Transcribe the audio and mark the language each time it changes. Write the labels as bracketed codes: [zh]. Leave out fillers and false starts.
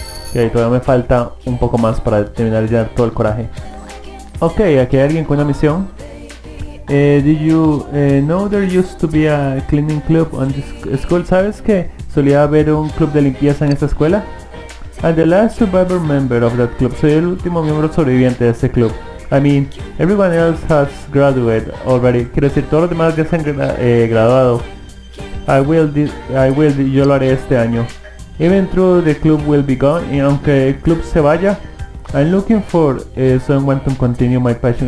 [es] Ok, todavía me falta un poco más para terminar de llenar todo el coraje. Ok, aquí hay alguien con una misión. [en] Did you know there used to be a cleaning club on this school? [es] ¿Sabes que solía haber un club de limpieza en esta escuela? [en] I'm the last survivor member of that club. [es] Soy el último miembro sobreviviente de este club. [en] I mean, everyone else has graduated already. [es] Quiero decir, todos los demás ya se han graduado. Yo lo haré este año. [en] Even though the club will be gone, [es] y aunque el club se vaya, [en] I'm looking for someone to continue my passion.